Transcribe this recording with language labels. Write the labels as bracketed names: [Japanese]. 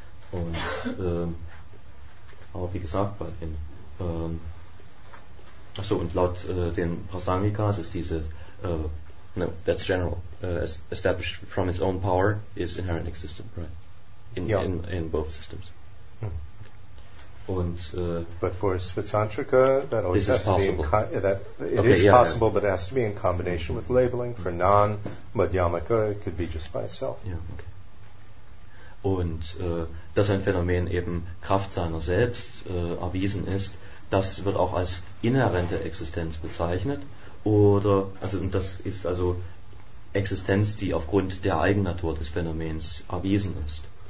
[German] Und aber wie gesagt, bei den laut den Prasangikas ist diese [English] that's general established from its own power is inherent existent, right? In both systems. [German] Und, [English] but for Svatantrika, that always has to be possible, but it has to be in combination with labeling. For non-Madhyamaka, it could be just by itself. [German] Ja, okay. Und dass ein Phänomen eben Kraft seiner selbst erwiesen ist, das wird auch als inhärente Existenz bezeichnet. Oder, also, und das ist also Existenz, die aufgrund der Eigennatur des Phänomens erwiesen ist.